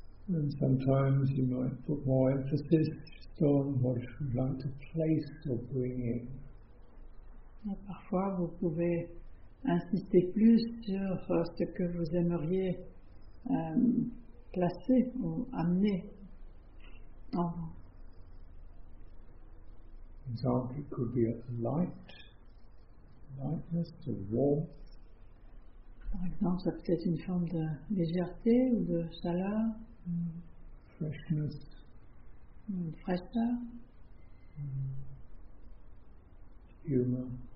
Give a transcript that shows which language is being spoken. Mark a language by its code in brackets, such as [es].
[en] And sometimes you might put more emphasis just on what you'd like to place or bring in. [fr] Et parfois vous pouvez insister plus sur ce que vous aimeriez placer ou amener. [en] For example, it could be a light, lightness, a warmth. [fr] Par exemple, ça peut être une forme de légèreté ou de chaleur. [en] Freshness. [fr] Fraîcheur. [en] Humour.